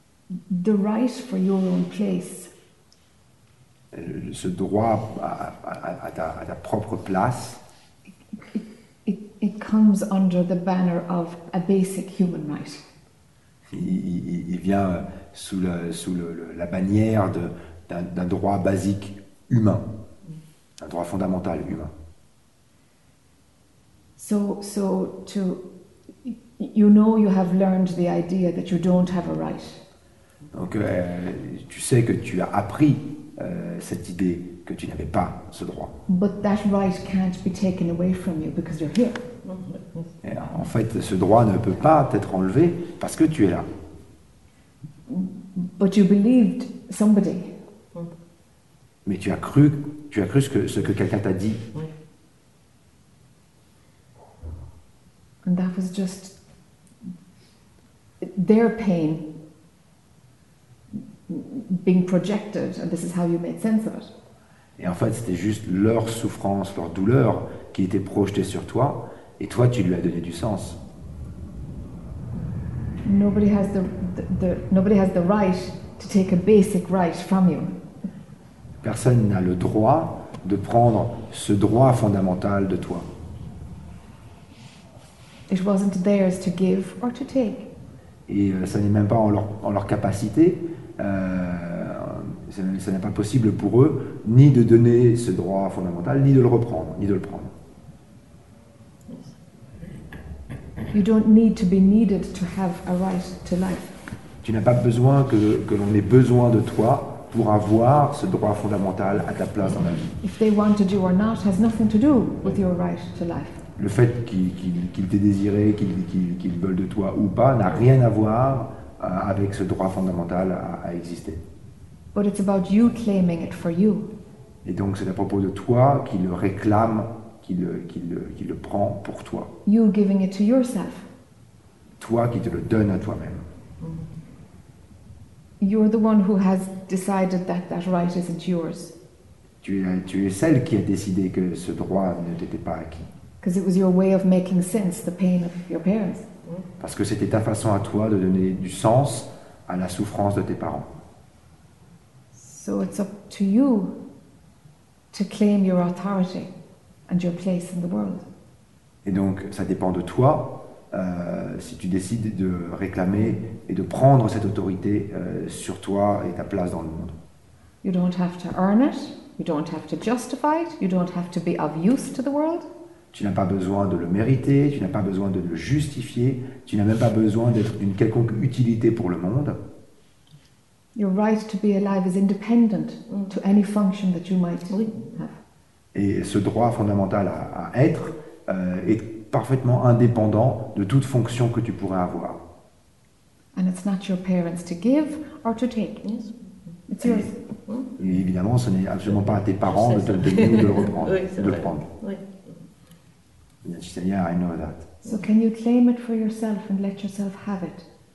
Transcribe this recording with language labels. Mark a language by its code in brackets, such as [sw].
[en] the right for your own place. [fr] Ce droit à ta propre place. [en] It comes under the banner of a basic human right. [fr] Il vient sous la bannière d'un droit basique humain, un droit fondamental humain. [en] So to you know you have learned the idea that you don't have a right. [fr] Donc tu sais que tu as appris cette idée que tu n'avais pas ce droit. [en] But that right can't be taken away from you because you're here. [fr] Et en fait, ce droit ne peut pas t'être enlevé parce que tu es là. [en] But you believed somebody. [fr] Mais tu as cru ce que quelqu'un t'a dit. [en] And that was just their pain being projected, and this is how you made sense of it. [fr] Et en fait, c'était juste leur souffrance, leur douleur qui était projetée sur toi. Et toi, tu lui as donné du sens. [en] Nobody has the right to take a basic right from you. [fr] Personne n'a le droit de prendre ce droit fondamental de toi. [en] It wasn't theirs to give or to take. [fr] Et ça n'est même pas en leur capacité, ça n'est pas possible pour eux ni de donner ce droit fondamental, ni de le reprendre, ni de le prendre. [en] You don't need to be needed to have a right to life. [fr] Tu n'as pas besoin que l'on ait besoin de toi pour avoir ce droit fondamental à ta place dans la vie. [en] If they wanted you or not has nothing to do with your right to life. [fr] Le fait qu'ils t'aient désiré, qu'ils veulent de toi ou pas n'a rien à voir avec ce droit fondamental à exister. [en] But it's about you claiming it for you. [fr] Et donc c'est à propos de toi qui le réclame. Qui le prend pour toi. [en] You giving it to yourself. [fr] Toi qui te le donnes à toi-même. [en] You're the one who has decided that right isn't yours. [fr] Tu es celle qui a décidé que ce droit ne t'était pas acquis. [en] Because it was your way of making sense the pain of your parents. [fr] Parce que c'était ta façon à toi de donner du sens à la souffrance de tes parents. [en] So it's up to you to claim your authority. And your place in the world. [fr] Et donc, ça dépend de toi si tu décides de réclamer et de prendre cette autorité sur toi et ta place dans le monde. [en] You don't have to earn it. You don't have to justify it. You don't have to be of use to the world. [fr] Tu n'as pas besoin de le mériter. Tu n'as pas besoin de le justifier. Tu n'as même pas besoin d'être d'une quelconque utilité pour le monde. [en] Your right to be alive is independent to any function that you might have. [fr] Et ce droit fondamental à être est parfaitement indépendant de toute fonction que tu pourrais avoir. [en] And it's not your parents to give or to take. Yes. It's yours. [fr] Et évidemment, ce n'est absolument pas à tes parents de te le donner ou de le reprendre. Oui, de le prendre. Oui. [en] Yes, yeah, I know that. So can you claim it for yourself and let yourself have it?